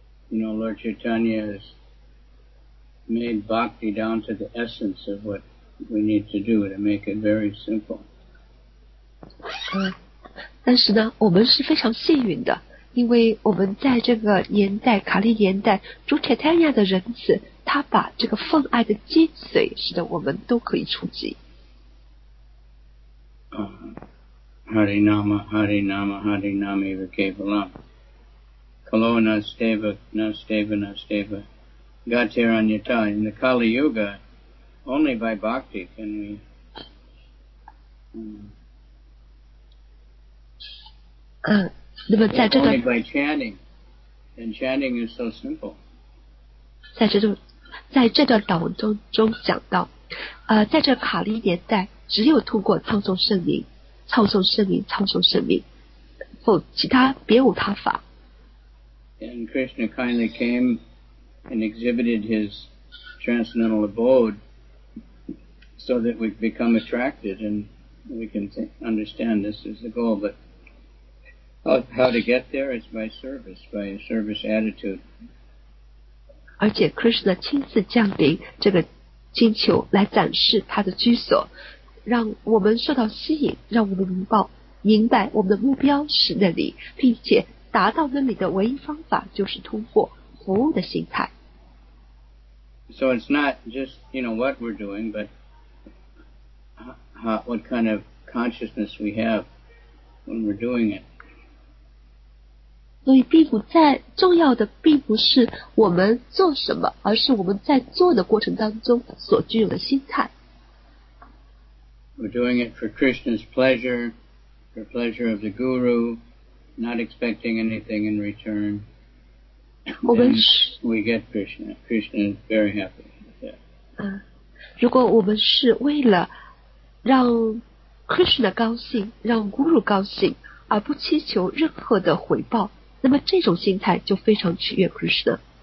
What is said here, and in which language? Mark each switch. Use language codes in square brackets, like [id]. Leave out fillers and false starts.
[en] You know, Lord Chaitanya has made bhakti down to the essence of what we need to do to make it very simple. [zh] 但是呢，我们是非常幸运的。因为我们在这个年代卡利年代主铁泰亚的仁慈他把这个奉爱的精髓使得我们都可以触及 [sa] Hari Nama Hari Nama Hari Nama Iva Kevala Kalo Nasteva Nasteva Nasteva Gatiranyata [en] In the Kali Yuga only by bhakti can we Only by chanting, and chanting is so simple. [zh] 在这段祷文中讲到，在这卡利年代，只有通过唱诵圣名，唱诵圣名，唱诵圣名，否其他别无他法。 [en] And Krishna kindly came and exhibited his transcendental abode, so that we become attracted and we can understand this is the goal, but. How to get there is by a service attitude. [zh] 而且 Krishna 亲自降临这个星球来展示他的居所，让我们受到吸引，让我们明白我们的目标是那里，并且达到那里的唯一方法就是通过服务的心态。 [en] So it's not just, you know, what we're doing, but what kind of consciousness we have when we're doing it. [zh] 所以并不在重要的并不是我们做什么而是我们在做的过程当中所具有的心态 [en] We're doing it for Krishna's pleasure for pleasure of the guru not expecting anything in return we get Krishna is very happy with that. [zh] 如果我们是为了让 Krishna 高兴让 guru 高兴而不祈求任何的回报那么这种心态就非常取悦 Krishna.